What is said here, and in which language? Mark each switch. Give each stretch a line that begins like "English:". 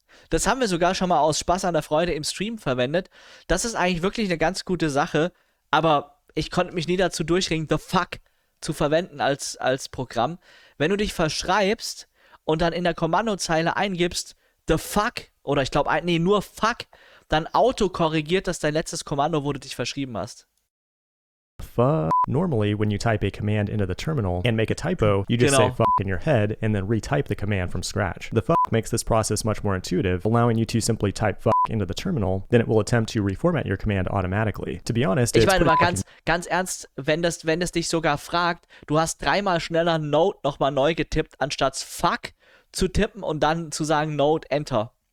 German: Das haben wir sogar schon mal aus Spaß an der Freude im Stream verwendet. Das ist eigentlich wirklich eine ganz gute Sache, aber ich konnte mich nie dazu durchringen, the fuck zu verwenden als Programm. Wenn du dich verschreibst und dann in der Kommandozeile eingibst the fuck oder ich glaube nee, nur fuck, dann autokorrigiert das dein letztes Kommando, wo du dich verschrieben hast.
English: Normally, when you type a command into the terminal and make a typo, you just say fuck in your head and then retype the command from scratch. The fuck makes this process much more intuitive, allowing you to simply type fuck into the terminal, then it will attempt to reformat your command automatically. To be honest,
German: ich meine mal ganz ernst, wenn das dich sogar fragt, du hast dreimal schneller Note nochmal neu getippt, anstatt fuck zu tippen und dann zu sagen Note Enter.